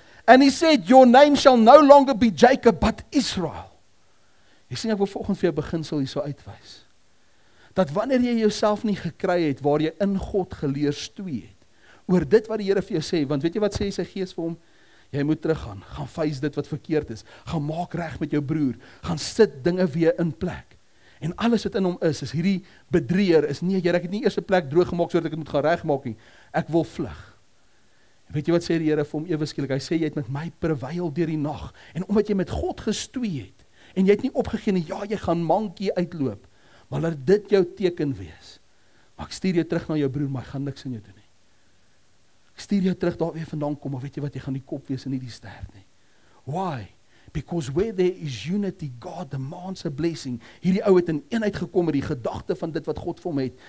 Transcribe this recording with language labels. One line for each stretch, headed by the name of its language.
English: And he said, "Your name shall no longer be Jacob, but Israel."
Afrikaans: Jy sien ek wil volgens vir jou beginsel hierso uitwys. Dat wanneer jy jouself nie gekry het, waar jy in God geleer stoei het, oor dit wat die Here vir jou sê, want weet jy wat sê sy gees vir hom? Jy moet teruggaan, gaan face dit wat verkeerd is, gaan maak reg met jou broer, gaan sit dinge weer in plek. En alles wat in hom is, is hierdie bedrieër, is nie, Here, ek het nie eers 'n plek droog gemaak, sodat ek het moet gaan reg maak nie, ek wil vlug. Weet jy wat sê die Here vir hom ewesklik? Hy sê, jy het met my prevail deur die nag, en omdat jy met God gestoei het, en jy het nie opgegee nie, ja, jy gaan mankie uitloop, maar laat dit jou teken wees. Maar ek stuur jou terug na jou broer, maar ek gaan niks aan jou doen nie. Ek stuur jou terug daar weer vandaan kom, maar weet jy wat, jy gaan die kop wees en nie die stert nie.
English: Why? Because where there is unity, God demands a blessing.
Afrikaans: Hierdie ou het in eenheid gekom met die gedagte van dit wat God vir hom het.